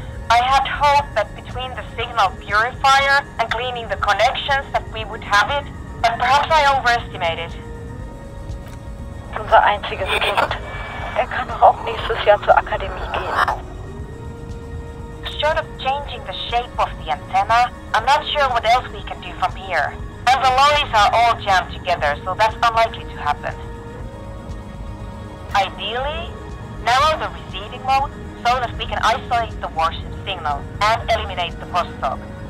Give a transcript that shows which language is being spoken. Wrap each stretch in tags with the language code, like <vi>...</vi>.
<en>I had hoped that between the signal purifier and cleaning the connections that we would have it, but perhaps I overestimated.</en> <de>Unser einziges Kind. Er kann auch nächstes Jahr zur Akademie gehen.</de> <en>Short of changing the shape of the antenna, I'm not sure what else we can do from here. And the lollies are all jammed together, so that's unlikely to happen. Ideally, narrow the receiving mode so that we can isolate the warship signal and eliminate the crosstalk.</en>